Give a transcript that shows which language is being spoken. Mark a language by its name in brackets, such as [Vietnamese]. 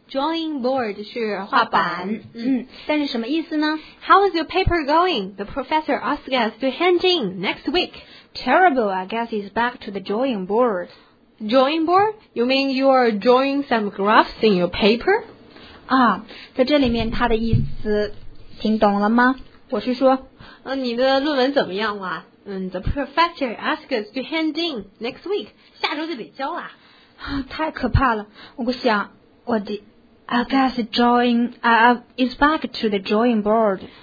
[English] Drawing board 是 [Chinese] 画板。但是什么意思呢？ [English] How is your paper going? The professor asked us to hand in next week. Terrible, I guess he's back to the drawing board. Drawing board? You mean you are drawing some graphs in your paper? [Chinese] 在这里面它的意思听懂了吗？我是说，你的论文怎么样了？ [English] The professor asked us to hand in next week. [Chinese] 下周就得交啦。太可怕了。 [English] 我想我的 I guess drawing, is back to the drawing board.